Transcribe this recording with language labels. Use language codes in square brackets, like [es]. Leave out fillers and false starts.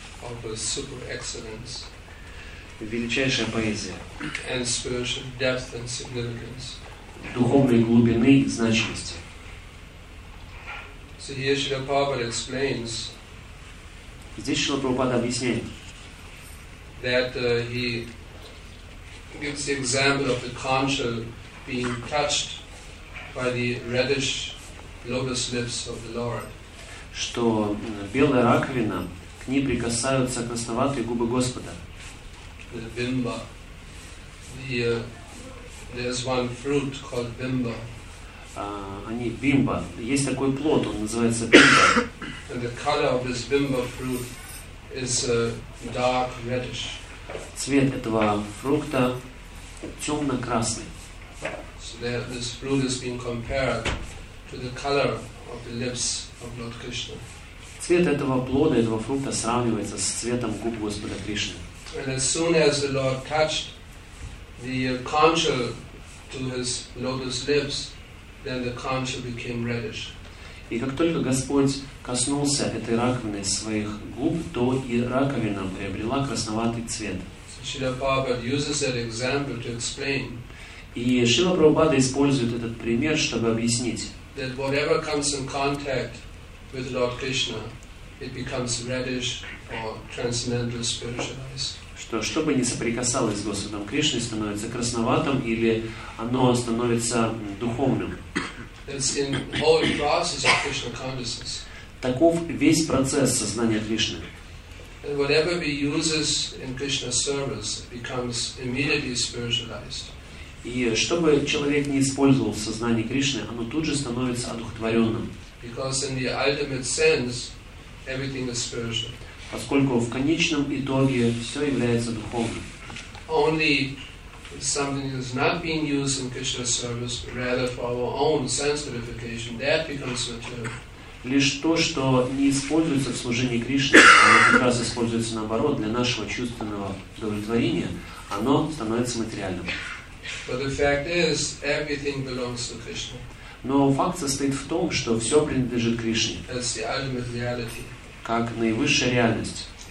[en] Of a super excellence. [ru] Величайшая поэзия. [en] And spiritual depth and significance. [ru] Духовной глубины и значимости. [en] So here Srila Prabhupada explains. [ru] Здесь Шрила Прабхупада объясняет. [en] That he gives the example of the concha being touched by the reddish lotus lips of the Lord. [ru] Что белая раковина, к ней прикасаются красноватые губы Господа. [en] The bimba. There's one fruit called bimba. [ru] Они бимба. Есть такой плод, он называется бимба. [en] And the color of this bimba fruit is a dark reddish. [ru] Цвет этого фрукта темно-красный. [en] So this fruit is being compared to the color of the lips of Lord Krishna. [ru] Цвет этого плода, этого фрукта сравнивается с цветом губ Господа Кришны. [en] And as soon as the Lord touched the concha to his lotus lips, then the concha became reddish. [ru] И как только Господь коснулся этой раковины своих губ, то и раковина приобрела красноватый цвет. [en] Srila Prabhupada uses that example to explain. [ru] И Шрила Прабхупада использует этот пример, чтобы объяснить, [en] that whatever comes in contact with Lord Krishna, it becomes reddish or transcendental spiritual eyes. [ru] Что бы ни соприкасалось с Господом Кришной, становится красноватым или оно становится духовным. [en] It's in whole process of Krishna consciousness. [ru] Таков весь процесс сознания Кришны. [en] And whatever we use in Krishna's service becomes immediately spiritualized. [ru] И что бы человек ни использовал в сознании Кришны, оно тут же становится одухотворенным. [en] Because in the ultimate sense, everything is spiritual. [ru] Поскольку в конечном итоге все является духовным. [en] Only something is not being used in Krishna's service, rather for our own sense purification, that becomes material. [ru] Лишь то, что не используется в служении Кришне, оно как раз используется наоборот для нашего чувственного удовлетворения, оно становится материальным. [en] But the fact is, everything belongs to Krishna. [ru] Но факт состоит в том, что все принадлежит Кришне. [en] That's the ultimate reality. [ru] Как наивысшая реальность.